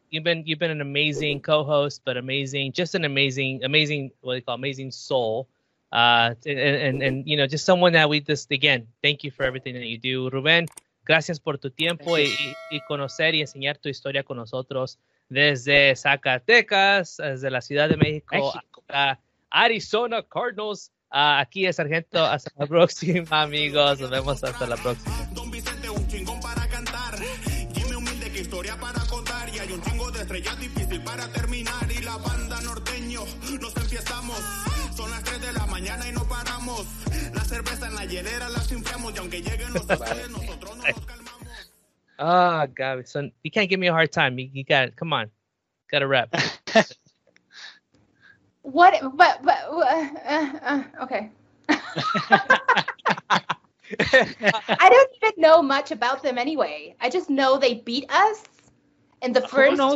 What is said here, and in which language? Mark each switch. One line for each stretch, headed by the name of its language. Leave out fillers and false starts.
English: You've been an amazing co-host, but amazing soul. And just someone that again, thank you for everything that you do.
Spanish: Rubén, gracias por tu tiempo y conocer y enseñar tu historia con nosotros desde Zacatecas, desde la Ciudad de México, hasta Arizona Cardinals. Aquí es Sargento, hasta la próxima, amigos. Nos vemos hasta la próxima. Don Vicente, un chingón para cantar. Dime humilde qué historia para contar. Y hay un chingo de estrellas difícil para terminar. Y la banda norteño, nos empezamos. Son las 3 de la mañana y no paramos. La cerveza en la hielera la chinfiamos. Y aunque lleguen los estrellas, nosotros no nos calmamos.
English: Oh, God. So you can't give me a hard time. You got it. Come on. Got to rep. Okay. I don't even know much about them anyway. I just know they beat us in the first game.